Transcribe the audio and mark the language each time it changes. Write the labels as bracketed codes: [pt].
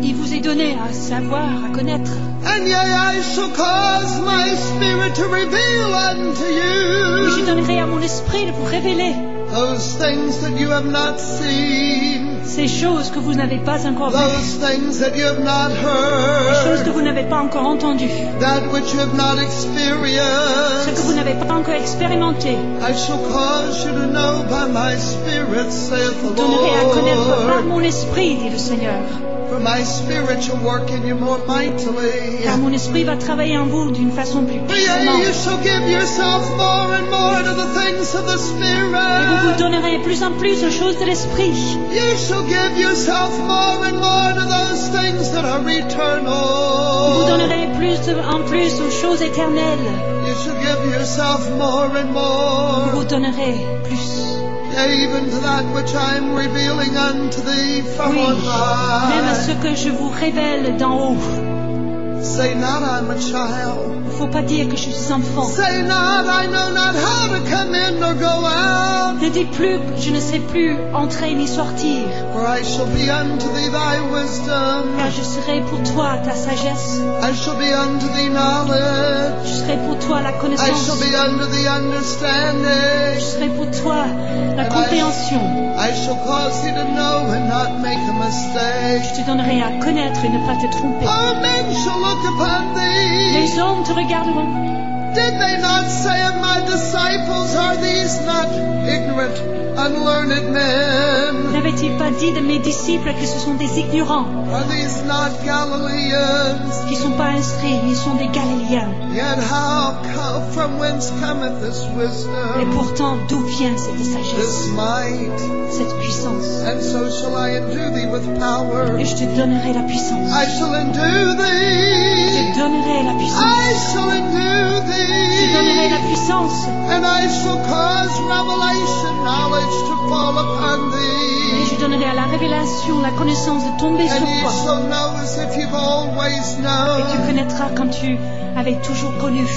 [fr] Il vous est donné à savoir, à connaître. [en] And yea, I shall cause my spirit to reveal unto you. [fr] Et je donnerai à mon esprit de vous révéler. [en] Those things that you have not seen. [fr] Ces choses que vous n'avez pas encore vues. [en] Those things that you have not heard. [fr] Les choses que vous n'avez pas encore entendues. [en] That which you have not experienced. [fr] Ce que vous n'avez pas encore expérimenté. [en] I shall cause you to know by my spirit, saith the Lord. [fr] Je donnerai à connaître par mon esprit, dit le Seigneur. [en] For my spirit shall work in you more mightily. [fr] Car mon esprit va travailler en vous d'une façon plus puissante. [en] You shall give yourself more and more to the things of the spirit. [fr] Et vous vous donnerez plus en plus aux choses de l'esprit. [en] You shall give yourself more and more to those things that are eternal. [fr] Vous vous donnerez plus en plus aux choses éternelles. [en] You shall give yourself more and more. [fr] Vous vous donnerez plus. [en] Even to that which I am revealing unto thee from [fr] oui, [en] on high. [fr] Même à ce que je vous révèle d'en haut. [en] Say not I'm a child. [fr] Faut pas dire que je suis enfant. [en] Say not I know not how to come in or go out. [fr] Ne dis plus je ne sais plus entrer ni sortir. [en] For I shall be unto thee thy wisdom. [fr] Car je serai pour toi ta sagesse. [en] I shall be unto thee knowledge. [fr] Je serai pour toi la connaissance. [en] I shall be unto thee understanding. [fr] Je serai pour toi la compréhension. [en] I shall cause thee to know and not make a mistake. [fr] Je te donnerai à connaître et ne pas te tromper. [en] Oh, men shall look upon thee. [fr] Les hommes te regarderont. [en] Did they not say of my disciples, are these not ignorant, unlearned men? [fr] N'avait-il pas dit de mes disciples que ce sont des ignorants? [en] Are these not Galileans? [fr] Qui sont pas instruits, ils sont des Galiléens. [en] Yet how come, from whence cometh this wisdom? [fr] Et pourtant, d'où vient cette sagesse? [en] This might. [fr] Cette puissance. [en] And so shall I endue thee with power. [fr] Et je te donnerai la puissance. [en] I shall endue thee. [fr] Je donnerai la puissance. [en] I shall endue thee. [fr] Je donnerai la puissance. [en] And I shall cause revelation knowledge to fall upon thee. [fr] Et je donnerai à la révélation la connaissance de tomber [en] and [fr] sur toi. [en] Shall know as if you've always known. [fr] Et tu connaîtras comme tu avais toujours connu.